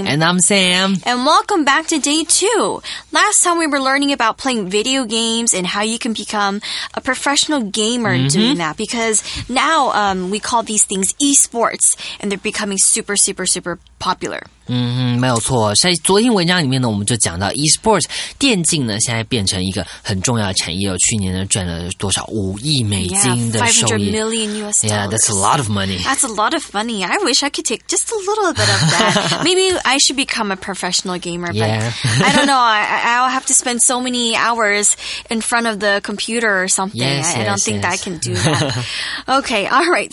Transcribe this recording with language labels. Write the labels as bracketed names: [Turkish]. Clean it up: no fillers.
[English] And I'm Sam. And welcome back to day two. Last time we were learning about playing video games and how you can become a professional gamer doing that. Because now we call these things e-sports and they're becoming super, super, super popular. [Chinese] 没有错。在昨天文章里面呢，我们就讲到 e-sports 电竞呢，现在变成一个很重要的产业。哦，去年呢赚了多少？ [English] $500 million [Chinese] 的收益。 [English] $500 million US dollars. Yeah, that's a lot of money. That's a lot of money. I wish I could take just a little bit of that. Maybe I should become a professional gamer. Yeah. But I don't know. I'll have to spend so many hours in front of the computer or something. Yes, I don't think that I can do that. Okay. All right.